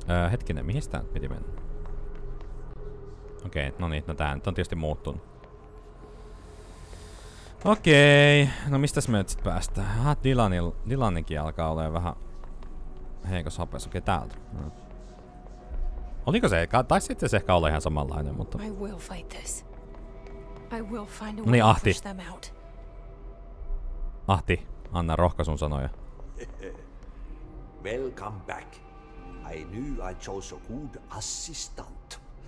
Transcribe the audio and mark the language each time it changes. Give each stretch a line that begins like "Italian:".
Finnish: Hetkinen, mihin sitä piti mennä? Okei, okay, no niin, no tää nyt on tietysti muuttunut. Okei, no mistäs me nyt sit päästään? Aha, Dylaninkin alkaa olemaan vähän heikossa hapeessa. Okei, täältä. No. Oliko se? Tai sitten se ehkä olla ihan samanlainen, mutta...
English: I will fight this. I will find a way to push them out.
Finnish: Ahti, anna rohkaisun sanoja.
English: Welcome back. I knew I chose a good assistant.